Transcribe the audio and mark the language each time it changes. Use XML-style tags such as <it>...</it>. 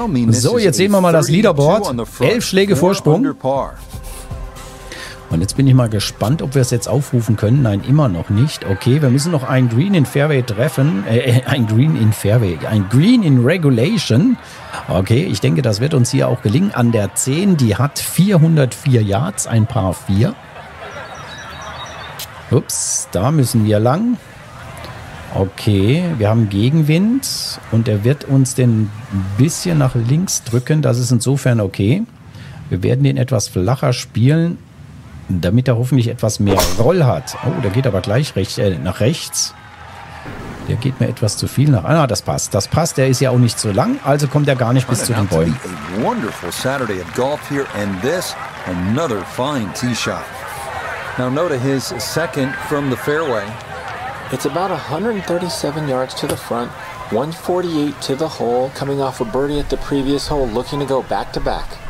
<de>So, jetzt sehen wir mal das Leaderboard. 11 Schläge Vorsprung. Und jetzt bin ich mal gespannt, ob wir es jetzt aufrufen können. Nein, immer noch nicht. Okay, wir müssen noch ein Green in Fairway treffen. Ein Green in Regulation. Okay, ich denke, das wird uns hier auch gelingen. An der 10, die hat 404 Yards, ein Par 4. Ups, da müssen wir lang. Okay, wir haben Gegenwind und er wird uns den ein bisschen nach links drücken. Das ist insofern okay. Wir werden den etwas flacher spielen damit er hoffentlich etwas mehr Roll hat. Oh, der geht aber gleich nach rechts. Der geht mir etwas zu viel nach. Ah, das passt. Das passt. Der ist ja auch nicht so lang. Also kommt er gar nicht bis zu den Bäumen.</de> <en>A wonderful Saturday of golf here and this another fine tee shot. Now note his second from the fairway. It's about 137 yards to the front, 148 to the hole, coming off a birdie at the previous hole, looking to go back to back.</en>